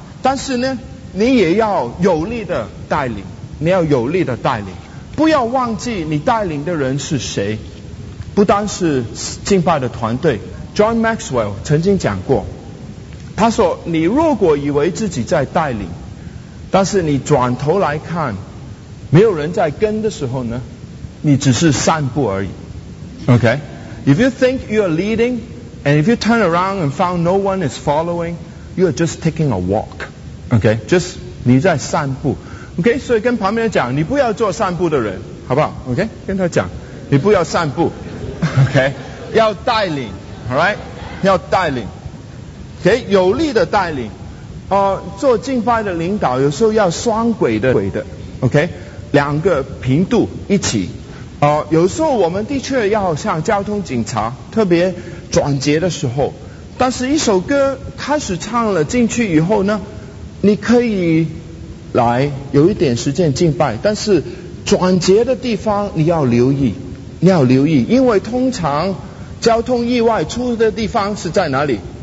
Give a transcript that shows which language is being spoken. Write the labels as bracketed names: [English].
[Chinese] 但是呢，你也要有力的带领，你要有力的带领，不要忘记你带领的人是谁，不单是敬拜的团队。 John Maxwell 曾经讲过。他说：“你如果以为自己在带领，但是你转头来看，没有人在跟的时候呢，你只是散步而已。 [English] OK， if you think you are leading, and if you turn around and found no one is following, you are just taking a walk. [Chinese] OK， just 你在散步。OK， 所以跟旁边讲，你不要做散步的人，好不好 ？OK， 跟他讲，你不要散步。 OK， 要带领 ， [English] All right， [Chinese] 要带领。” 给有力的带领，做敬拜的领导有时候要双轨的，OK， 两个频度一起，有时候我们的确要像交通警察，特别转节的时候，但是一首歌开始唱了进去以后呢，你可以来有一点时间敬拜，但是转节的地方你要留意，因为通常交通意外出的地方是在哪里？